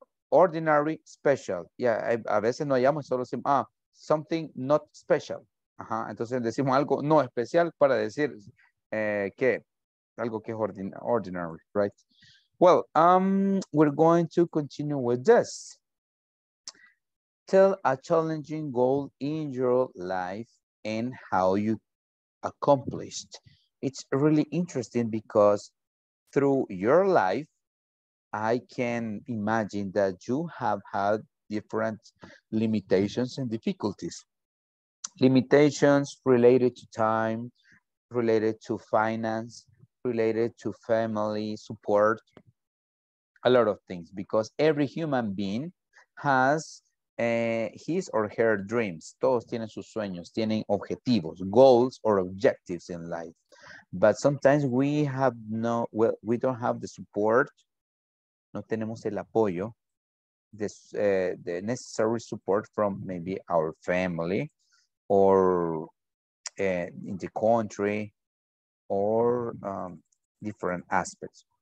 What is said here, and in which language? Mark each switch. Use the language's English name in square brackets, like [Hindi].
[English] Ordinary, special. Yeah, [Spanish] a veces no hallamos, solo decimos, [English] something not special. [Spanish] Ajá, entonces decimos algo no especial para decir que algo que es [English] ordinary, right? Well, we're going to continue with this. Tell a challenging goal in your life and how you accomplished. It's really interesting because through your life, I can imagine that you have had different limitations and difficulties. Limitations related to time, related to finance, related to family support, a lot of things, because every human being has his or her dreams. [Spanish] Todos tienen sus sueños, tienen objetivos, [English] goals or objectives in life. But sometimes we don't have the support, [Spanish] no tenemos el apoyo, [English] the necessary support from maybe our family or in the country or different aspects.